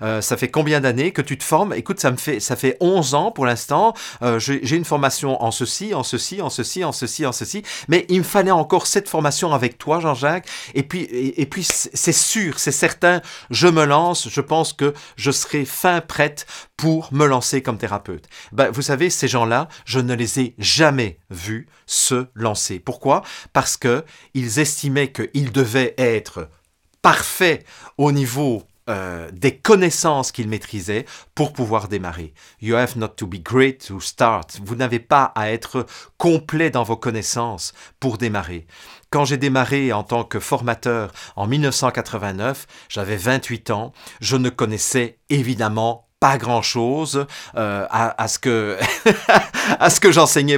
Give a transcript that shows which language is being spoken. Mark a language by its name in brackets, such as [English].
[French] Ça fait combien d'années que tu te formes ? Écoute, ça fait 11 ans pour l'instant, j'ai une formation en ceci, en ceci, en ceci, en ceci, en ceci, mais il me fallait encore cette formation avec toi, Jean-Jacques, et puis c'est sûr, c'est certain, je me lance, je pense que je serai fin prête pour me lancer comme thérapeute. Ben, vous savez, ces gens-là, je ne les ai jamais vus se lancer. Pourquoi ? Parce qu'ils estimaient qu'ils devaient être parfaits au niveau des connaissances qu'ils maîtrisaient pour pouvoir démarrer. [English] You have not to be great to start. [French] Vous n'avez pas à être complet dans vos connaissances pour démarrer. Quand j'ai démarré en tant que formateur en 1989, j'avais 28 ans, je ne connaissais évidemment pas grand-chose à ce que j'enseignais.